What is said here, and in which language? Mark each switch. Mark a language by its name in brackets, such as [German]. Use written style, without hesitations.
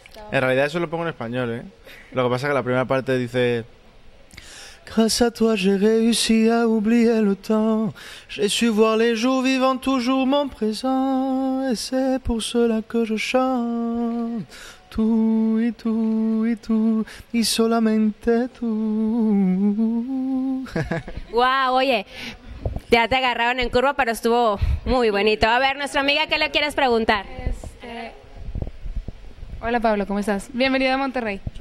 [Spanish] En realidad eso lo pongo en español, ¿eh? Lo que pasa es que la primera parte dice... [French] Grâce à toi, j'ai réussi à oublier le temps. J'ai su voir les jours vivant toujours mon présent. Et c'est pour cela que je chante. [Spanish] Tú y tú y tú y solamente tú. Wow, oye, ya te agarraron en curva, pero estuvo muy bonito. A ver, nuestra amiga, ¿qué le quieres preguntar? Hola, Pablo, ¿cómo estás? Bienvenido a Monterrey.